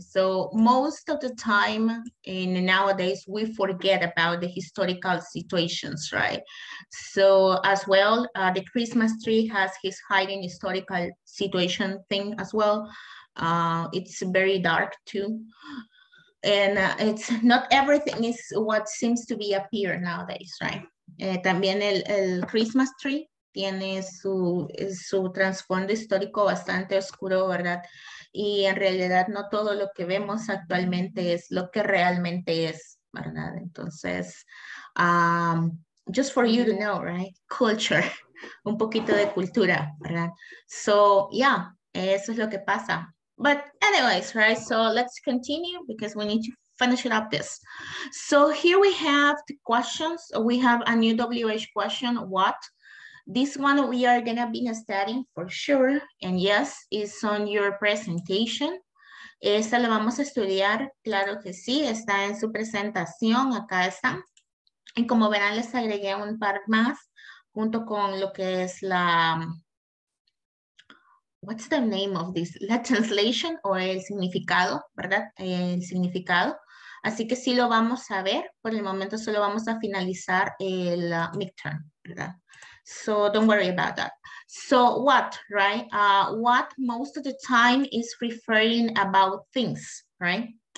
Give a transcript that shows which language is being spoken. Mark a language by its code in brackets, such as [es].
[en] So most of the time in nowadays, we forget about the historical situations, right? So as well, the Christmas tree has his hiding historical situation thing as well. It's very dark too. And it's not everything is what seems to be appear nowadays, right? [es] También el Christmas tree tiene su trasfondo histórico bastante oscuro, ¿verdad? Y en realidad no todo lo que vemos actualmente es lo que realmente es, ¿verdad? Entonces, [en] just for you to know, right? Culture, [es] un poquito de cultura, ¿verdad? [en] So, yeah, [es] eso es lo que pasa. [en] But anyways, right? So let's continue because we need to finish it up this. So here we have the questions. We have a new WH question, what? This one we are gonna be studying for sure. And yes, it's on your presentation. [es] Esta la vamos a estudiar, claro que sí, está en su presentación, acá está. Y como verán, les agregué un par más junto con lo que es la, [en] what's the name of this? [es] La translation o el significado, ¿verdad? El significado. Así que sí lo vamos a ver. Por el momento solo vamos a finalizar el midterm, ¿verdad? [en] So don't worry about that. So what, right? What most of the time is referring about things, right?